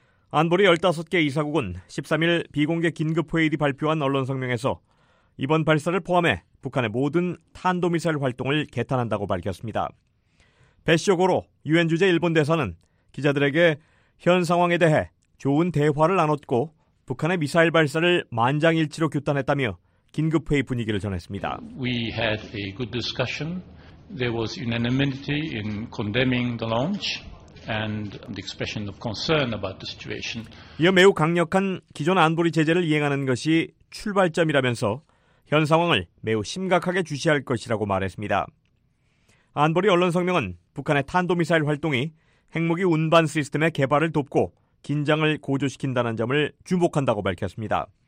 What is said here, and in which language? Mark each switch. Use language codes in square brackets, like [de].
[ko] 안보리 15개 이사국은 13일 비공개 긴급회의 발표한 언론 성명에서 이번 발사를 포함해 북한의 모든 탄도미사일 활동을 개탄한다고 밝혔습니다. 베시오고로 유엔 주재 일본 대사는 기자들에게 현 상황에 대해 좋은 대화를 나눴고 북한의 미사일 발사를 만장일치로 규탄했다며 긴급회의 분위기를 전했습니다. [en] We had a good discussion. There was unanimity in condemning the launch and the expression of concern about the situation. [ko] 이어 매우 강력한 기존 안보리 제재를 이행하는 것이 출발점이라면서 현 상황을 매우 심각하게 주시할 것이라고 말했습니다. 안보리 언론 성명은 북한의 탄도미사일 활동이 핵무기 운반 시스템의 개발을 돕고 긴장을 고조시킨다는 점을 주목한다고 밝혔습니다.